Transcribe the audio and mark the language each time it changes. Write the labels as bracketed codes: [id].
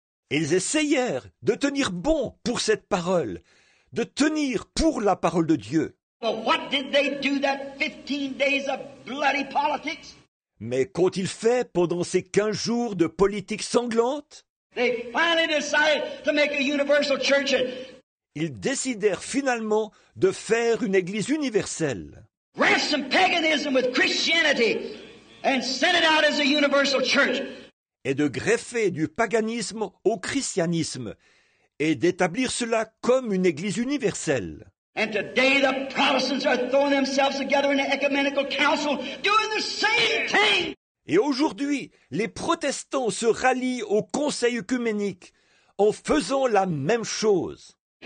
[fr] Ils essayèrent de tenir bon pour cette parole, de tenir pour la parole de Dieu. [en] But what did they do that 15 days of bloody politics? [fr] Mais qu'ont-ils fait pendant ces 15 jours de politique sanglante? [en] They finally decided to make a universal church. [fr] Ils décidèrent finalement de faire une église universelle. [en] Grab some paganism with Christianity and send it out as a universal church. [fr] Et de greffer du paganisme au christianisme et d'établir cela comme une église universelle. [en] And today the Protestants are throwing themselves together in an ecumenical council doing the same thing. [fr] Et aujourd'hui, les protestants se rallient au conseil œcuménique en faisant la même chose.